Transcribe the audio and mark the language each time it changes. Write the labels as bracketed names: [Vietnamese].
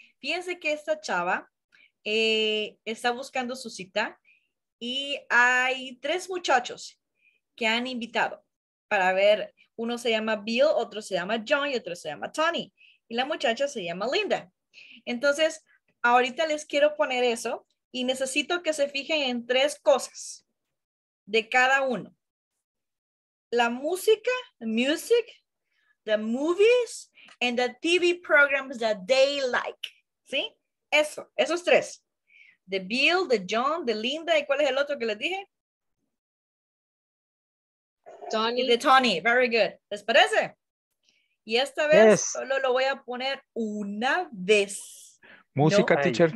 [Spanish] Fíjense que esta chava está buscando su cita y hay tres muchachos que han invitado para ver. Uno se llama Bill, otro se llama John y otro se llama Tony. Y la muchacha se llama Linda. Entonces, ahorita les quiero poner eso y necesito que se fijen en tres cosas de cada uno. La música, [English] music, the movies, and the TV programs that they like. [Spanish] ¿Sí? Eso, esos tres. De Bill, de John, de Linda, ¿y cuál es el otro que les dije? Tony. De Tony, [English] very good. [Spanish] ¿Les parece? Y esta vez yes. Solo lo voy a poner una vez. Música, no, teacher.